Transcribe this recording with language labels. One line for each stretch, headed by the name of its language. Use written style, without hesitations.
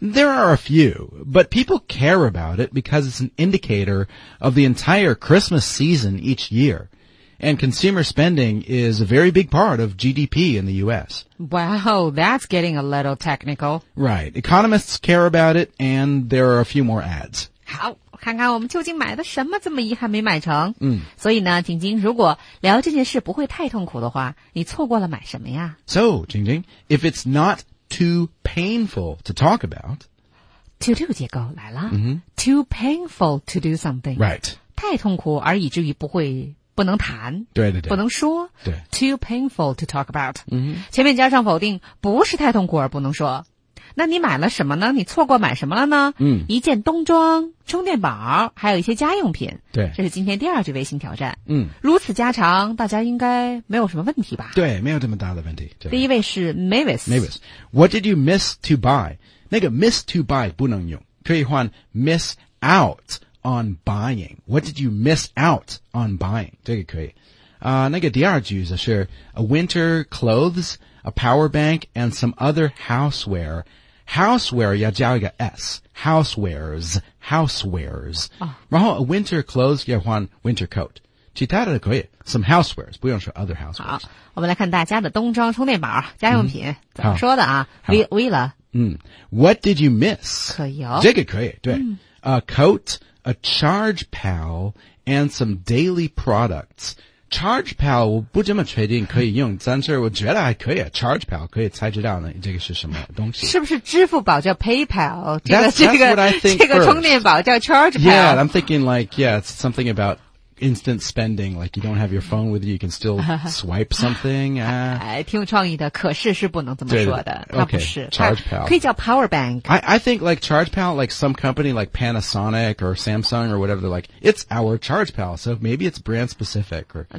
English: There are a few, but people care about it because it's an indicator of the entire Christmas season each year, and consumer spending is a very big part of GDP in the U.S. Wow, that's getting a little technical. Right. Economists care about it, and there are a few more ads. How?
Chinese: 看看我们究竟买的什么这么遗憾没买成。嗯。所以呢晶晶如果聊这件事不会太痛苦的话你错过了买什么呀
English: So, 晶晶 if it's not too painful to talk about. To do
Chinese: 结构来了。 Mm-hmm.
English: Too painful to do something. Right.
Chinese: 太痛苦而以至于不能谈。对对对。不能说。对。
English: Too painful to talk about.、 Mm-hmm.
Chinese: 前面加上否定不是太痛苦而不能说。那你买了什么呢你错过买什么了呢嗯，一件冬装充电宝还有一些家用品对这是今天第二句微信挑战嗯，如此家常大家应该没有什么问题吧对没有这么大的问题第一位是 Mavis
English: Mavis What did you miss to buy
Chinese: 那个
English: miss to buy
Chinese: 不能用可以换
English: miss out on buying What did you miss out on buying
Chinese: 这个可以那个第二句则是
English: A winter clothesA power bank and some other houseware. Houseware, 要加一个 S. Housewares.、 Oh.
Chinese: 然后
English: a winter clothes,
Chinese: 要换
English: winter coat.
Chinese: 其他的可以
English: some housewares,
Chinese: 不用说
English: other housewares.
Chinese: 好我们来看大家的冬装充电宝家用品、怎么说的啊 为了、
English: What did you miss?
Chinese: 可以哦。这个可以对、
English: A coat, a charge pal, and some daily products.
Chinese: Charge Pal 我不这么确定可以用但是我觉得还可以 Charge Pal 可以猜知道这个是什么东西是不是支付宝叫 PayPal
English: that's
Chinese: 这个充电宝叫 Charge Pal
English: Yeah I'm thinking like Yeah it's something about instant spending Like you don't have your phone with you You can still swipe something
Chinese: 挺有创意的可是是不能这么说的对对对它不是
English: okay, Charge Pal
Chinese: 可以叫 Power Bank
English: I think like Charge Pal Like some company like Panasonic Or Samsung or whatever They're like It's our Charge Pal So maybe it's brand specific or